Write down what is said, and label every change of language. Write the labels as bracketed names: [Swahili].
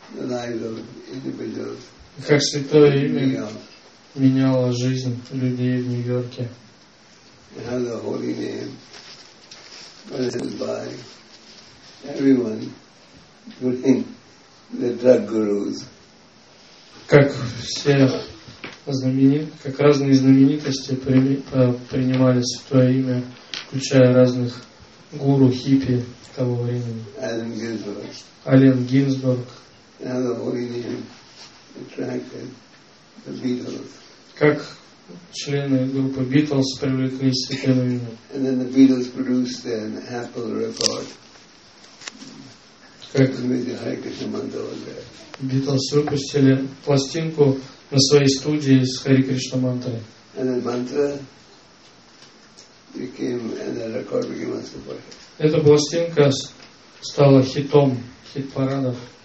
[Russian] Как Святое Имя меняло жизнь людей в Нью-Йорке. [English] And how the holy name was held by everyone, including the drug gurus. [Russian] Как все как разные знаменитости принимали Святое Имя, включая разных гуру хиппи того времени. [English] Allen Ginsberg. [Russian] Allen Ginsberg. [English] And how the holy name attracted the Beatles. [Russian] Как члены группы Beatles привлекли Святое Имя. [English] And then the Beatles produced an Apple record. [Russian] Как Beatles выпустили пластинку на своей студии с Хари Кришна мантрой. [English] And then mantra became, and the record became a super hit. [Russian] Эта пластинка стала хитом, хит-парадов.